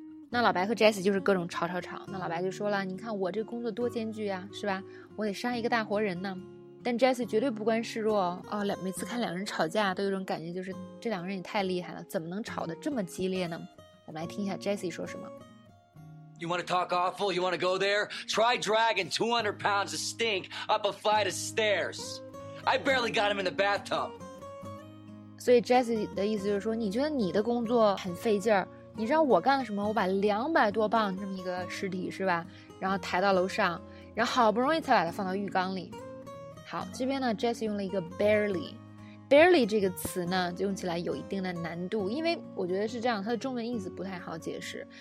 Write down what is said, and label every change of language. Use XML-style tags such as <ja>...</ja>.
<zh>那老白和 Jesse 就是各种吵吵吵。那老白就说了，你看我这工作多艰巨啊，是吧，我得杀一个大活人呢。但 Jesse 绝对不甘示弱哦，每次看两人吵架都有种感觉，就是这两个人也太厉害了，怎么能吵得这么激烈呢？我们来听一下 Jesse 说什么。</zh> <en>You want to talk awful? You want to go there? Try dragging 200 pounds of stink up a flight of stairs. I barely got him in the bathtub.</en> <zh>所以 Jesse 的意思就是说，你觉得你的工作很费劲儿，你知道我干了什么？我把200多磅这么一个尸体是吧，然后抬到楼上，然后好不容易才把它放到浴缸里。好，这边呢 Jesse 用了一个 barely 这个词呢，就用起来有一定的难度，因为我觉得是这样，它的中文意思不太好解释。</zh>